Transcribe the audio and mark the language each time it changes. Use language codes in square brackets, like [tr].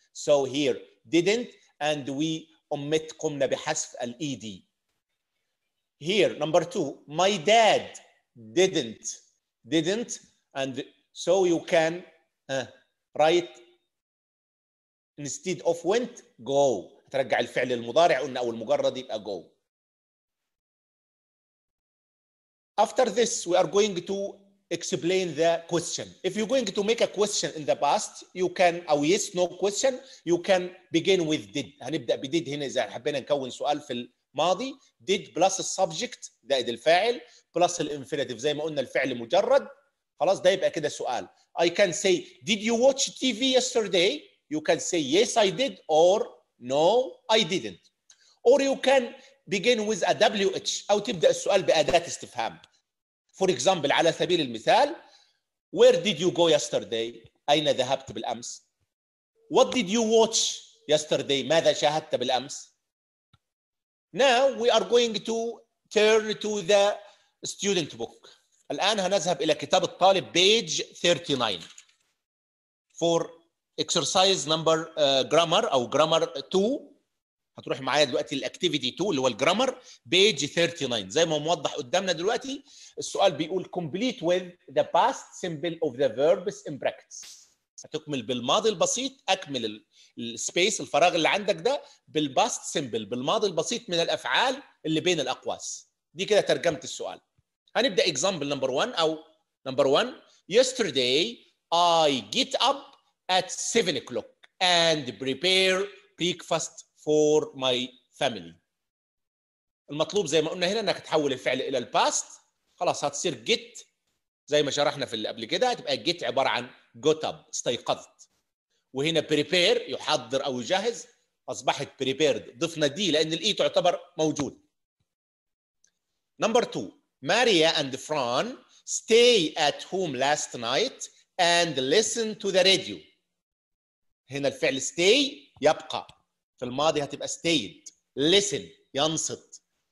[en] So here didn't and we omit [ar] قمنا بحذف ال [en] ed. Here number two, my dad didn't and so you can write instead of went go. [ar] ترجع الفعل المضارع قلنا أو المجرد يبقى go. [en] After this, we are going to explain the question. If you're going to make a question in the past, you can, or yes, no question, you can begin with did. [ar] هنبدأ بديد هنا إذا حبينا نكون سؤال في الماضي. [en] Did plus the subject, [ar] زائد الفاعل, [en] plus the infinitive, [ar] زي ما قلنا الفعل مجرد. خلاص ده يبقى كده سؤال. [en] I can say, did you watch TV yesterday? You can say, yes, I did, or no, I didn't. Or you can begin with a WH [ar] أو تبدأ السؤال بأداة استفهام. [en] For example, [ar] على سبيل المثال, [en] where did you go yesterday? [ar] أين ذهبت بالأمس? [en] What did you watch yesterday? [ar] ماذا شاهدت بالأمس? [en] Now we are going to turn to the student book. [ar] الآن هنذهب إلى كتاب الطالب [en] page 39 for exercise number grammar [ar] أو [en] grammar 2. [ar] هتروح معايا دلوقتي الاكتيفيتي 2 اللي هو الجرامر بيج 39 زي ما موضح قدامنا دلوقتي. السؤال بيقول [en] complete with the past symbol of the verbs in brackets. [ar] هتكمل بالماضي البسيط, اكمل السبيس الفراغ اللي عندك ده بالباست سيمبل بالماضي البسيط من الافعال اللي بين الاقواس. دي كده ترجمه السؤال. هنبدا اكزامبل نمبر 1 او نمبر 1. [en] Yesterday I get up at 7 o'clock and prepare breakfast for my family. [ar] المطلوب زي ما قلنا هنا انك تحول الفعل الى الباست. خلاص هتصير get زي ما شرحنا في اللي قبل كده, هتبقى get عباره عن [en] got up [ar] استيقظت. وهنا prepare يحضر او يجهز, اصبحت prepared. ضفنا دي لان الاي تعتبر موجود. [en] Number two, Maria and Fran stay at home last night and listen to the radio. [ar] هنا الفعل stay يبقى في الماضي, هتبقى stayed. listen ينصت